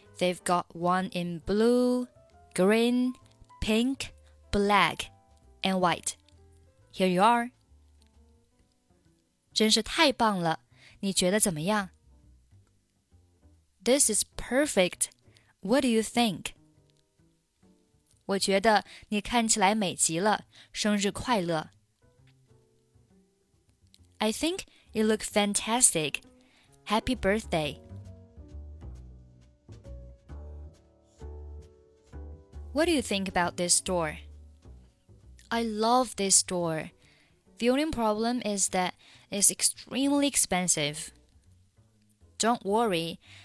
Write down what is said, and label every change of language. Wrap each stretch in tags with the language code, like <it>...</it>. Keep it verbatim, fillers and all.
<en>They've got one in blue, green, pink, black, and white. Here you are.</en> <zh>真是太棒了，你觉得怎么样？</zh> <en>This is perfect. What do you think?</en> <zh>我觉得你看起来美极了，生日快乐。</zh> <en>I think you look fantastic. Happy birthday. What do you think about this store? I love this store. The only problem is that it's extremely expensive. Don't worry.</en>